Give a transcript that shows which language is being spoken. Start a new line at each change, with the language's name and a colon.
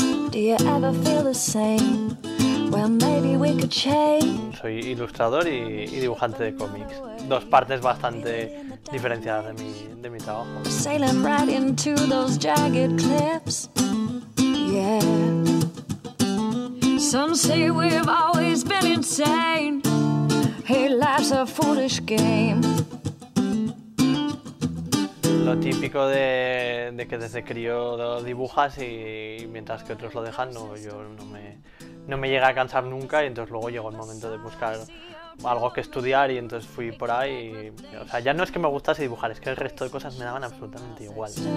English: Do you ever feel the same? Well, maybe we could change.
Spanish: Soy ilustrador y dibujante de cómics. Dos partes bastante diferenciadas de mi trabajo.
English: Sailing right into those jagged cliffs. Yeah. Some say we've always been insane. Hey, life's a foolish game.
Spanish: Lo típico de que desde crío lo dibujas y mientras que otros lo dejan, no, yo no me llega a cansar nunca, y entonces luego llegó el momento de buscar algo que estudiar y entonces fui por ahí y, o sea, ya no es que me gustase dibujar, es que el resto de cosas me daban absolutamente igual.